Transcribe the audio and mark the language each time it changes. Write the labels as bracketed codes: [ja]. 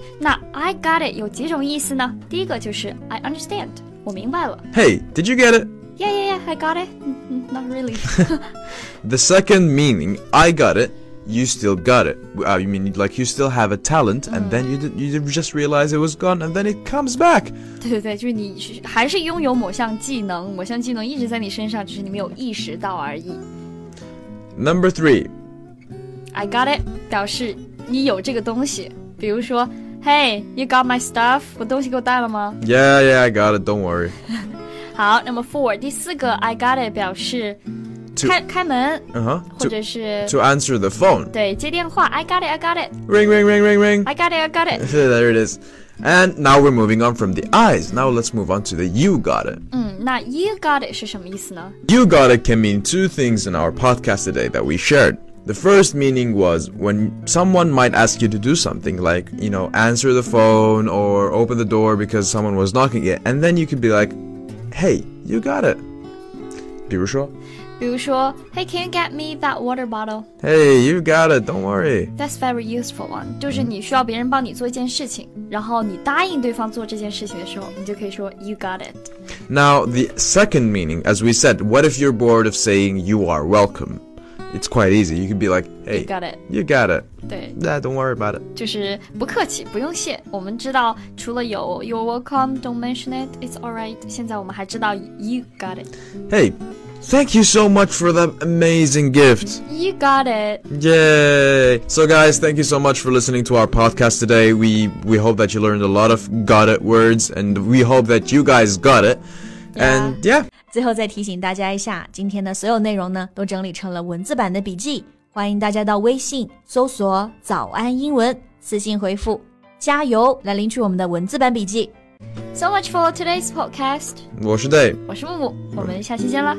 [zh] 那 [en] I got it [zh] 有几种意思呢？第一个就是 [en] I understand, [zh] 我明白了。 [en] Hey, did you get it? Yeah, I got it. Not really. The second meaning, I got it,You still got it. You mean like you still have a talent, and then you just realize it was gone, and then it comes back. [zh] 对对对，就是你还是拥有某项技能一直在你身上，只是你没有意识到而已。 [en] Number three, I got it. [zh] 表示你有这个东西。比如说， [en] Hey, you got my stuff? [zh] 我东西给我带了吗？ [en] Yeah, I got it, don't worry. [zh] 好，那么 four, 第四个 [en] I got it [zh] 表示 [en] to, [zh] 开门、 uh-huh, 或者是 [en] to answer the phone. [zh] 对，接电话 [en] I got it, I got it. Ring, ring, ring, ring, ring. I got it, I got it. There it is. And now we're moving on from the eyes. Now let's move on to the you got it. [zh] 那 you got it 是什么意思呢？ [en] You got it can mean two things in our podcast today that we sharedThe first meaning was when someone might ask you to do something like, you know, answer the phone or open the door because someone was knocking it. And then you could be like, hey, you got it. 比如说 hey, can you get me that water bottle? Hey, you got it. Don't worry. That's very useful one. [zh] 就是你需要别人帮你做一件事情然后你答应对方做这件事情的时候你就可以说 [en] you got it. Now, the second meaning, as we said, what if you're bored of saying you are welcome? It's quite easy. You could be like, hey, you got it. You got it. [zh] 对 [en] Yeah, don't worry about it. [zh] 就是不客气不用谢我们知道除了有 [en] you're welcome, don't mention it, it's alright. [zh] 现在我们还知道 [en] you got it. Hey, thank you so much for that amazing gift. You got it. Yay. So guys, thank you so much for listening to our podcast today. We hope that you learned a lot of got it words and we hope that you guys got it. And yeah. [zh] 最后再提醒大家一下，今天的所有内容呢，都整理成了文字版的笔记，欢迎大家到微信搜索“早安英文”，私信回复“加油”来领取我们的文字版笔记。 [en] So much for today's podcast. [zh] 我是 Dave，我是木木，我们下期见了，